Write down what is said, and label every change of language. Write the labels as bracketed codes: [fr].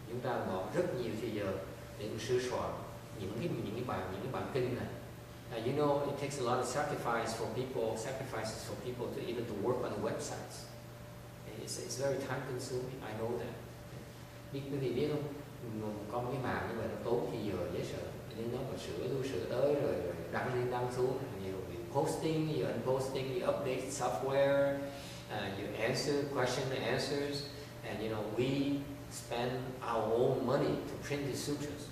[vi] Chúng ta bỏ rất nhiều thời giờ để sửa soạn những cái bản kinh này. [en] You know, it takes a lot of sacrifices for people to even to work on the websites. It's very time consuming. I know that. [vi] Biết quý vị biết không? Con cái mạng như vậy nó tốn thời giờ dễ sợ. Nên nó mà sửa tới rồi đăng lên đăng xuống, nhiều việc [en] posting, you unposting, you update software, you answer question and answers, and you know we spend our own money to print the sutras.